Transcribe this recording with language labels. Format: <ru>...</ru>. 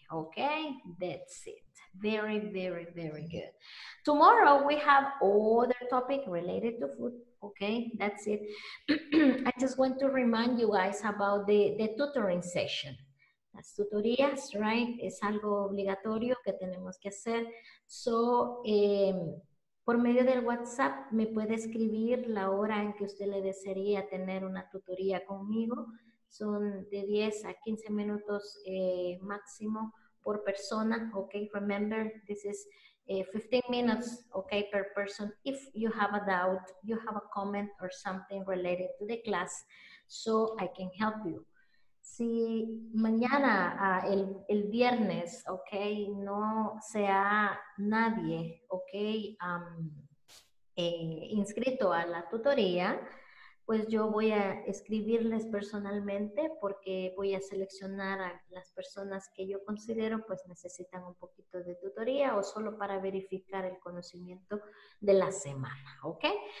<en>Okay, that's it. Very, very, very good. Tomorrow we have other topic related to food. Okay, that's it. I just want to remind you guys about the tutoring session.</en> <es>Las tutorías,</es> <en>right?</en> <es>Es algo obligatorio que tenemos que hacer. So, por medio del WhatsApp me puede escribir la hora en que usted le desearía tener una tutoría conmigo. Son de 10 a 15 minutos máximo. Por persona,</es> <en>okay, remember this is 15 minutes, okay, per person. If you have a doubt, you have a comment or something related to the class, so I can help you.</en> <es>Si mañana, el viernes, okay, no sea nadie, okay, inscrito a la tutoría, pues yo voy a escribirles personalmente porque voy a seleccionar a las personas que yo considero pues necesitan un poquito de tutoría o solo para verificar el conocimiento de la semana, okay?</es>